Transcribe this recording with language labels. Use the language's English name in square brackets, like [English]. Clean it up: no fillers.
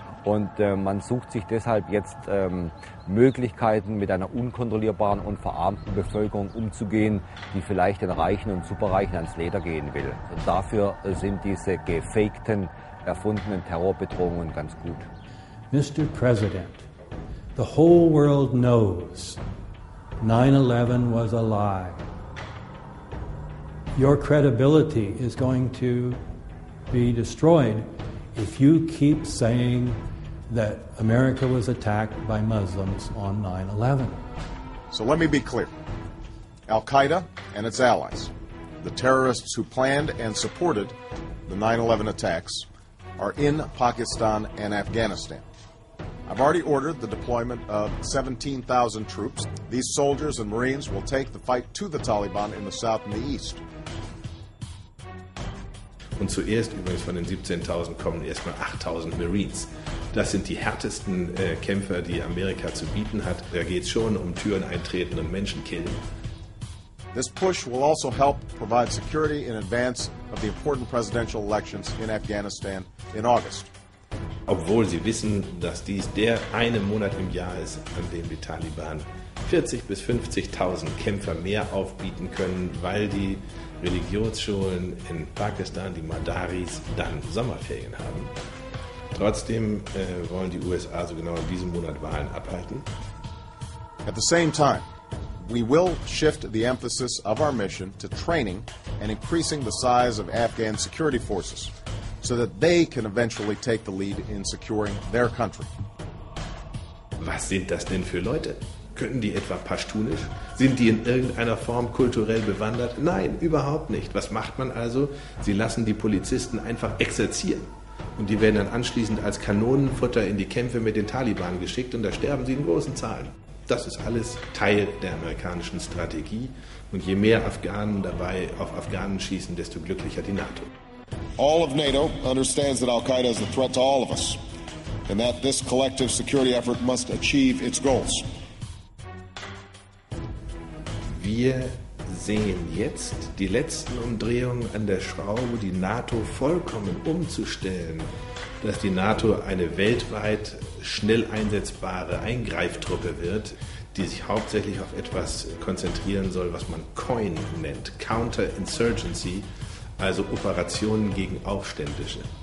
[German] Und man sucht sich deshalb jetzt Möglichkeiten, mit einer unkontrollierbaren und verarmten Bevölkerung umzugehen, die vielleicht den Reichen und Superreichen ans Leder gehen will. Und dafür sind diese gefakten, erfundenen Terrorbedrohungen ganz gut. [English] Mr. President, the whole world knows 9/11 was a lie. Your credibility is going to be destroyed if you keep saying that America was attacked by Muslims on 9/11. So let me be clear. Al-Qaeda and its allies, the terrorists who planned and supported the 9/11 attacks, are in Pakistan and Afghanistan. I've already ordered the deployment of 17,000 troops. These soldiers and Marines will take the fight to the Taliban in the south and the east. [German] Und zuerst übrigens von den 17.000 kommen erstmal 8.000 Marines. Das sind die härtesten Kämpfer, die Amerika zu bieten hat. Da geht's schon um Türen eintreten und Menschen killen. [English] This push will also help provide security in advance of the important presidential elections in Afghanistan in August. [German] Obwohl sie wissen, dass dies der eine Monat im Jahr ist, an dem die Taliban 40.000 bis 50.000 Kämpfer mehr aufbieten können, weil die Religionsschulen in Pakistan, die Madaris, dann Sommerferien haben. Trotzdem wollen die USA so genau in diesem Monat Wahlen abhalten. [English] At the same time, we will shift the emphasis of our mission to training and increasing the size of Afghan security forces, so that they can eventually take the lead in securing their country. [German] Was sind das denn für Leute? Können die etwa Paschtunisch? Sind die in irgendeiner Form kulturell bewandert? Nein, überhaupt nicht. Was macht man also? Sie lassen die Polizisten einfach exerzieren. Und die werden dann anschließend als Kanonenfutter in die Kämpfe mit den Taliban geschickt und da sterben sie in großen Zahlen. Das ist alles Teil der amerikanischen Strategie. Und je mehr Afghanen dabei auf Afghanen schießen, desto glücklicher die NATO. [English] All of NATO understands that Al-Qaeda is a threat to all of us and that this collective security effort must achieve its goals. [German] Wir sehen jetzt die letzten Umdrehungen an der Schraube, die NATO vollkommen umzustellen, dass die NATO eine weltweit schnell einsetzbare Eingreiftruppe wird, die sich hauptsächlich auf etwas konzentrieren soll, was man COIN nennt, Counterinsurgency, also Operationen gegen Aufständische.